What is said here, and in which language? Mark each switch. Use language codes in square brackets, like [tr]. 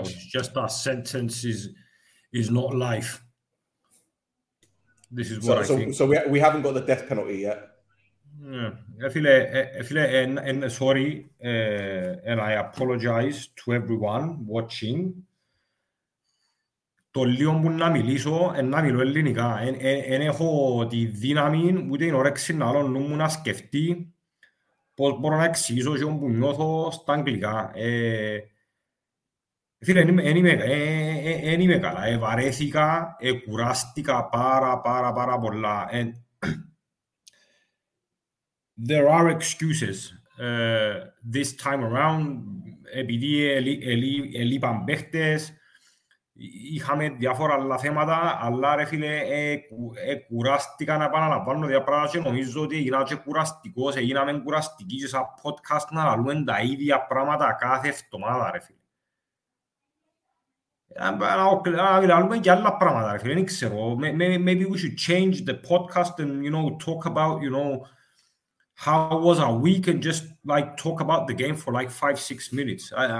[en] It's just our sentence is not life. This is what I think. So we haven't got the death penalty yet. I feel, and I apologize to everyone watching. [el] Το λίγο που να μιλήσω, να μιλώ ελληνικά. Εν έχω τη δύναμη, ούτε την όρεξη να άλλο νου μου να σκεφτεί πώς μπορώ να εξηγήσω και όμως νιώθω στα αγγλικά. Φίλε, εν είμαι καλά. Βαρέθηκα, κουράστηκα πάρα πολλά. [en] There are excuses this time around. [el] Επειδή ελείπαν παίχτες, είχαμε διάφορα άλλα θέματα, αλλά ρε φίλε, κουράστηκα να επαναλαμβάνω διάφορα και νομίζω ότι έγινα και κουραστικός, έγιναμε κουραστικοί και σαν podcast να λαλούμε τα ίδια πράγματα κάθε εβδομάδα, ρε φίλε. Λαλούμε και άλλα πράγματα, ρε φίλε, δεν ξέρω. [en] Maybe we should change the podcast and, you know, talk about, you know, how was our week and just, like, talk about the game for, like, 5-6 minutes.